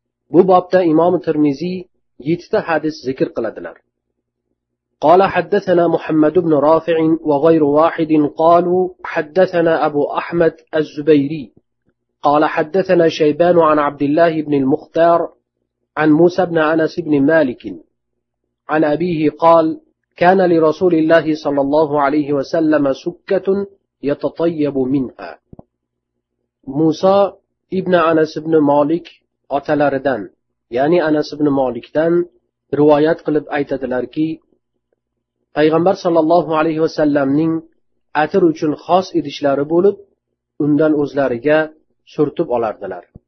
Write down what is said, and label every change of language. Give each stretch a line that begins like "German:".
Uzbek: Bu bobda Imom Tirmiziy 7 hadis zikr qiladilar.
Arabic: قال حدثنا محمد بن رافع وغير واحد قالوا حدثنا أبو أحمد الزبيري قال حدثنا شيبان عن عبد الله بن المختار عن موسى بن أنس بن مالك عن أبيه قال كان لرسول الله صلى الله عليه وسلم سكة يتطيب منها.
Uzbek: موسى ابن أنس بن مالك otalaridan, ya'ni Anas ibn Malikdan rivoyat qilib aytadilarki, payg'ambar sallallohu alayhi va sallamning atir uchun xos idishlari bo'lib, undan o'zlariga surtib olardilar.